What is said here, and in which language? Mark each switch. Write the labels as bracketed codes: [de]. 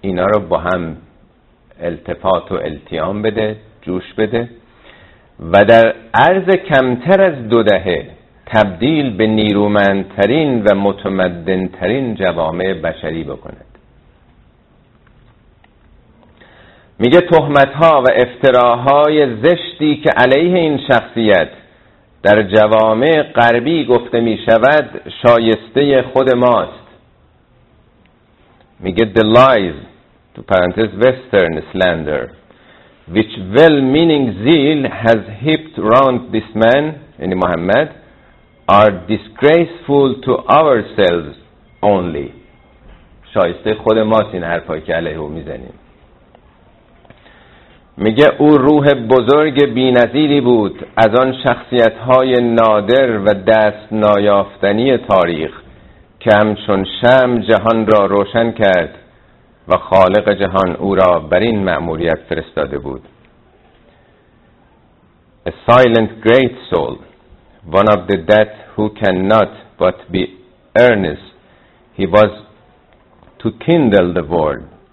[fa] اینا رو با هم التفات و التیام بده، جوش بده و در عرض کمتر از دو دهه تبدیل به نیرومندترین و متمدنترین جوامع بشری بکند. میگه تهمتها و افتراهای زشتی که علیه این شخصیت در جوامع غربی گفته میشود شایسته خود ماست. میگه [en] the lies [fa] تو پرانتز [en] western slander which well-meaning zeal has heaped round this man [fa] یعنی محمد [en] are disgraceful to ourselves only. [fa] شایسته خود ماست این حرفایی که علیه او میزنیم. میگه او روح بزرگ بی نظیری بود، از آن شخصیت‌های نادر و دست نایافتنی تاریخ که همچون شمع جهان را روشن کرد و خالق جهان او را بر این مأموریت فرستاده بود. [en] A silent great soul, one of the dead who cannot but be earnest, he was to kindle the world.